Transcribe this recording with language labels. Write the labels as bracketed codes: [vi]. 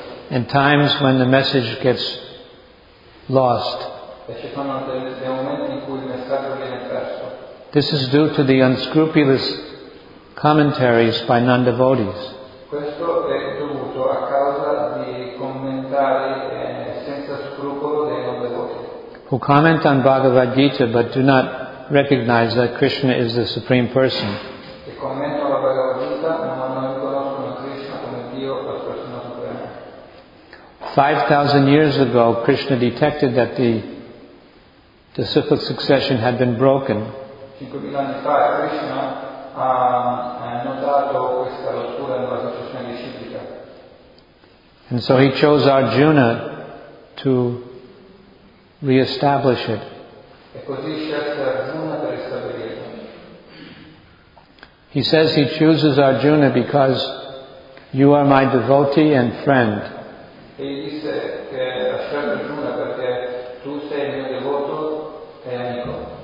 [en] And times when the message gets lost. This is due to the unscrupulous commentaries by non-devotees. [it] Questo è dovuto a causa di commentari senza scrupolo dei non-devoti. [en] Who comment on Bhagavad Gita but do not recognize that Krishna is the Supreme Person. [it] Che commentano la Bhagavad Gita ma non riconoscono Krishna come Dio, la persona suprema. [en] 5,000 years ago, Krishna detected that the disciplic succession had been broken. [it] 5,000 anni fa, Krishna ha notato questa rottura nella successione disciplica. [en] And so he chose Arjuna to reestablish it. [it] E così scelse Arjuna per ristabilirlo. [en] He says he chooses Arjuna because you are my devotee and friend. [it] E disse che ha scelto Arjuna perché tu sei il mio devoto e amico.